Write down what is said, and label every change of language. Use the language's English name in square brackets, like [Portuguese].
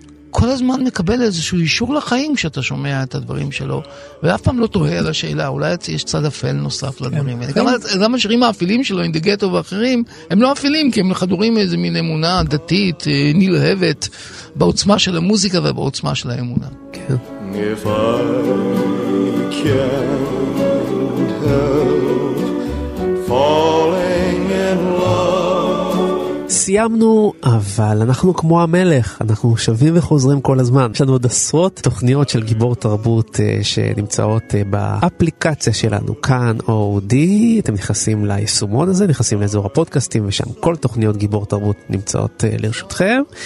[Hebrew] כל הזמן מקבל איזשהו אישור לחיים כשאתה שומע את הדברים שלו, ואף פעם לא תוהה על השאלה, אולי יש צד אפל נוסף לדברים. גם השירים האפילים שלו, אינדיגטו ואחרים, הם לא אפילים, כי הם חדורים איזה מין אמונה דתית, נלהבת, בעוצמה של המוזיקה ובעוצמה של האמונה. כן. [English] If I can't help falling in love. [Hebrew] סיימנו, אבל אנחנו כמו המלך, אנחנו שווים וחוזרים כל הזמן. יש לנו עוד עשרות תוכניות של גיבור תרבות שנמצאות באפליקציה שלנו, כאן אודי. אתם נכנסים ליישומון הזה, נכנסים לאזור הפודקאסטים, ושם כל תוכניות גיבור תרבות נמצאות לרשותכם.